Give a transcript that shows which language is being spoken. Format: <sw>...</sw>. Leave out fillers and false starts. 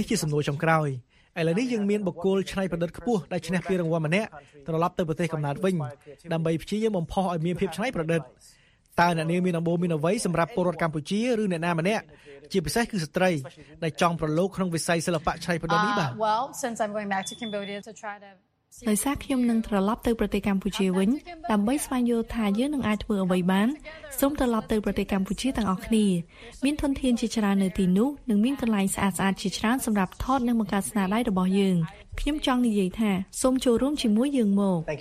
<km>នេះជាសំណួរចុងក្រោយឥឡូវនេះយើងមានបុគ្គលឆ្នៃប្រឌិតខ្ពស់ដែលឈ្នះពានរង្វាន់ម្នាក់ត្រឡប់ទៅប្រទេសកំណើតវិញដើម្បីព្យាយាមបំផុសឲ្យមានភាពឆ្នៃប្រឌិតតើអ្នកនាងមានអំបូរមានអ្វីសម្រាប់ពលរដ្ឋកម្ពុជាឬអ្នកណាម្នាក់ជាពិសេសគឺស្ត្រីដែលចង់ប្រឡូកក្នុងវិស័យសិល្បៈឆ្នៃប្រឌិតនេះបាទ</km> <en>Well since I'm going back to Cambodia to try to</en> <km>ដោយសារខ្ញុំនឹងត្រឡប់ទៅប្រទេសកម្ពុជាវិញដើម្បីស្វែងយល់ថាយើងនឹងអាចធ្វើអ្វីបានសូមត្រឡប់ទៅប្រទេសកម្ពុជាទាំងអស់គ្នាមានធនធានជាច្រើននៅទីនោះនិងមានកន្លែងស្អាតស្អាតជាច្រើនសម្រាប់ថតនិងបង្កើតស្នាដៃរបស់យើងខ្ញុំចង់និយាយថាសូមចូលរួមជាមួយយើងមក</km>